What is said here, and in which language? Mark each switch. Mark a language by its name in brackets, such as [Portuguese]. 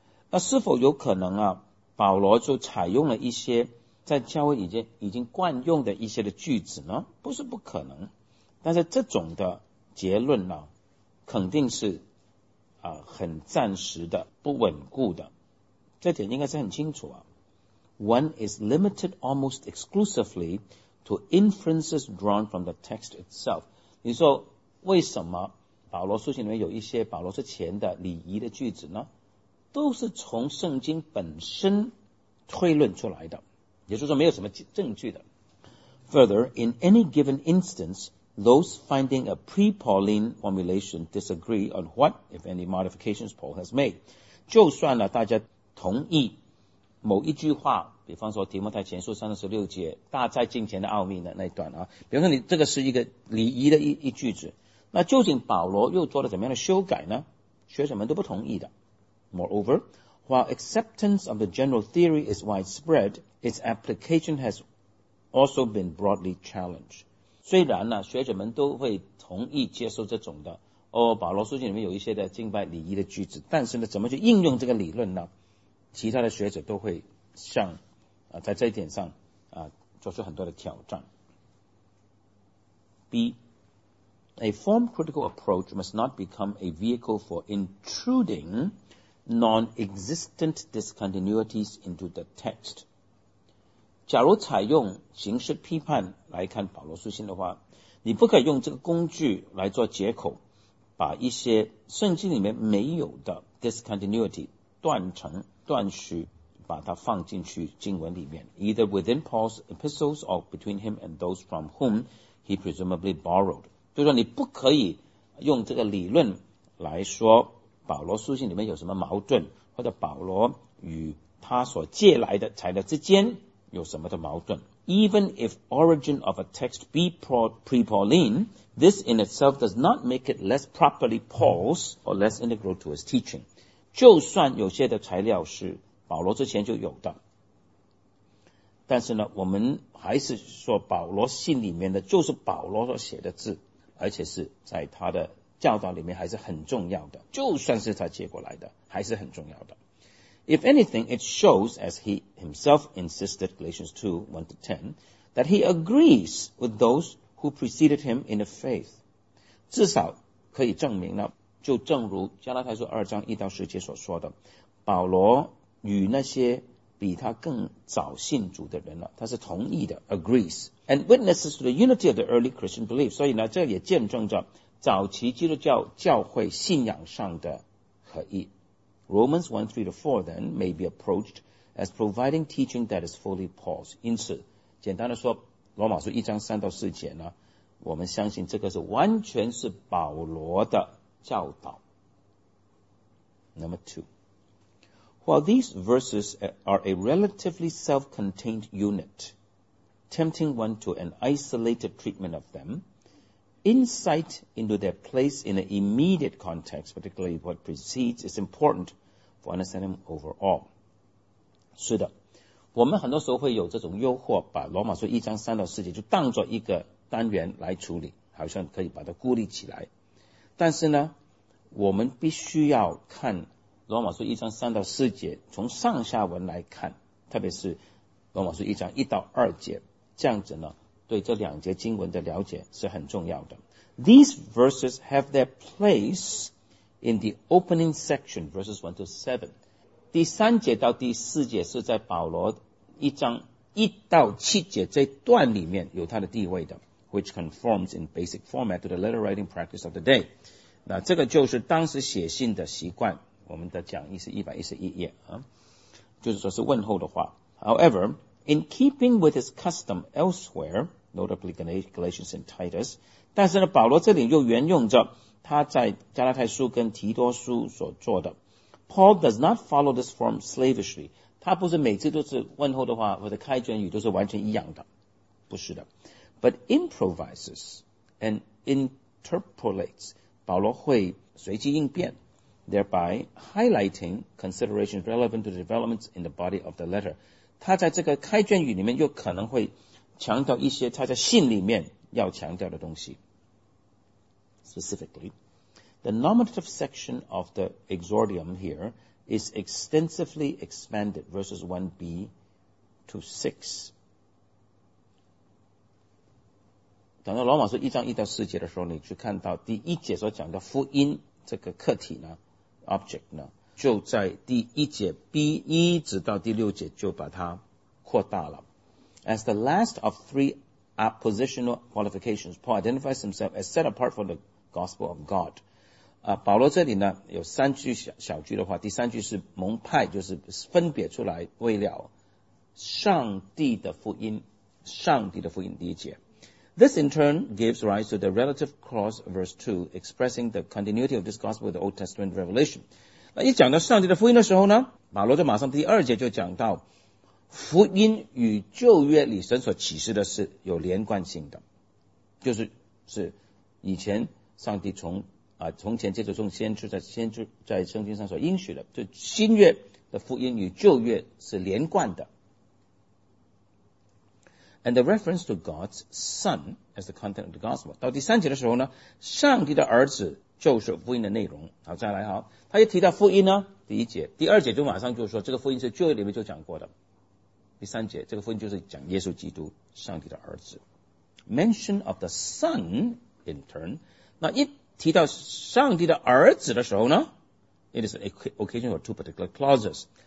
[Chinese] 那是否有可能啊，保罗就采用了一些在教会已经惯用的一些的句子呢？不是不可能，但是这种的结论呢，肯定是很暂时的、不稳固的，这点应该是很清楚啊。 [English] One is limited almost exclusively to inferences drawn from the text itself. [Chinese] 你说为什么保罗书信里面有一些保罗之前的礼仪的句子呢？都是从圣经本身推论出来的，也就是说没有什么证据的。 [English] Further, in any given instance, those finding a pre-Pauline formulation disagree on what, if any, modifications Paul has made. [Chinese] 就算了大家同意某一句话，比方说提摩太前书三十六节大灾近前的奥秘的那一段啊，比方说你这个是一个礼仪的 一句子，那究竟保罗又做了怎么样的修改呢？学者们都不同意的。 [English] Moreover, while acceptance of the general theory is widespread, its application has also been broadly challenged. [Chinese] 虽然呢，学者们都会同意接受这种的哦，保罗书信里面有一些的敬拜礼仪的句子，但是呢，怎么去应用这个理论呢？其他的学者都会像在这一点上做出很多的挑战。 [English] B, a form critical approach must not become a vehicle for intruding non-existent discontinuities into the text. [Chinese] 假如采用形式批判来看保罗书信的话，你不可以用这个工具来做接口，把一些圣经里面没有的 discontinuity 断层断续把它放进去经文里面， [English] either within Paul's epistles or between him and those from whom he presumably borrowed. [Chinese] 就是说你不可以用这个理论来说保罗书信里面有什么矛盾，或者保罗与他所借来的材料之间有什么的矛盾。 [English] Even if origin of a text be pre-Pauline, this in itself does not make it less properly Paul's or less integral to his teaching. [Chinese] 就算有些的材料是保罗之前就有的，但是呢，我们还是说保罗信里面的就是保罗所写的字，而且是在他的教导里面还是很重要的，就算是他借过来的还是很重要的。 [English] If anything, it shows, as he himself insisted, Galatians 2:1-10, that he agrees with those who preceded him in the faith. [Chinese] 至少可以证明呢，就正如加拉太书2:1-10所说的，保罗与那些比他更早信主的人了，他是同意的 [English] agrees, and witnesses to the unity of the early Christian belief. [Chinese] 所以呢，这也见证着早期基督教教会信仰上的合一。 [English] Romans 1:3-4 then may be approached as providing teaching that is fully Paul's. [Chinese] 因此简单的说，罗马书1:3-4呢，我们相信这个是完全是保罗的教导。 [English] Number 2. While these verses are a relatively self-contained unit, tempting one to an isolated treatment of them, insight into their place in an immediate context, particularly what precedes, is important for understanding overall. [Chinese] 是的，我们很多时候会有这种诱惑，把罗马书1:3-4就当作一个单元来处理，好像可以把它孤立起来。但是呢，我们必须要看罗马书1:3-4，从上下文来看，特别是罗马书1:1-2，这样子呢，对这两节经文的了解是很重要的。 [English] These verses have their place in the opening section, verses 1-7. [Chinese] 第三节到第四节是在保罗1:1-7这段里面有它的地位的， [English] which conforms in basic format to the letter writing practice of the day. [Chinese] 那这个就是当时写信的习惯。我们的讲义是111页、就是说是问候的话。 [English] However, in keeping with his custom elsewhere, notably Galatians and Titus, [Chinese] 但是呢，保罗这里又沿用着他在加拉太书跟提多书所做的。 [English] Paul does not follow this form slavishly. [Chinese] 他不是每次都是问候的话或者开卷语都是完全一样的，不是的。 [English] But improvises and interpolates. [Chinese] 保罗会随机应变， [English] thereby highlighting considerations relevant to the developments in the body of the letter. [Chinese] 他在这个开卷语里面又可能会强调一些他在信里面要强调的东西。 [English] Specifically, the normative section of the exordium here is extensively expanded, verses 1b-6. [Chinese] 等到罗马书1:1-4的时候，你去看到第一节所讲的福音这个客体呢，Object 呢，就在第一节 B 一直到第六节就把它扩大了。 [English] As the last of three appositional qualifications, Paul identifies himself as set apart for the gospel of God. [Chinese] 保罗这里呢有三句 小句的话，第三句是蒙派，就是分别出来为了上帝的福音，上帝的福音，第一节。 [English] This in turn gives rise to the relative clause verse 2, expressing the continuity of this gospel with the Old Testament revelation. [Chinese] 那一讲到上帝的福音的时候呢，保罗就马上第二节就讲到福音与旧约里神所启示的是有连贯性的，就是以前上帝从前借着众先知在圣经上所应许的，就新约的福音与旧约是连贯的。 [English] And the reference to God's Son as the content of the gospel. [Chinese] 到第三节的时候呢，上帝的儿子就是福音的内容。好，再来，好，他又提到福音呢，第一节、第二节就马上就说这个福音是旧约里面就讲过的。第三节，这个福音就是讲耶稣基督，上帝的儿子。 [English] Mention of the Son in turn. [Chinese] 那一提到上帝的儿子的时候呢， [English] It is an occasion for two particular clauses.